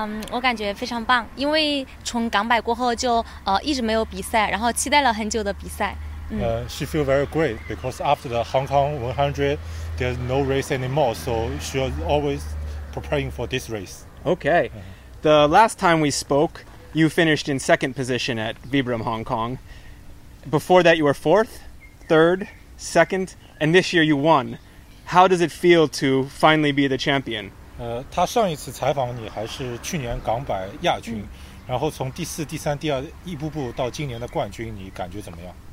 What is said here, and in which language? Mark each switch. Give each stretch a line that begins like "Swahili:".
Chinese: 我感觉非常棒，因为从港百过后就一直没有比赛，然后期待了很久的比赛。
English: She feel very great because after the Hong Kong 100, there's no race anymore, so she was always preparing for this race. Okay. The last time we spoke, you finished in second position at Vibram Hong Kong. Before that, you were fourth, third, second, and this year you won. How does it feel to finally be the champion?
Chinese: 他上一次采访你还是去年港百亚军， 然后从第四、第三、第二一步步到今年的冠军，你感觉怎么样？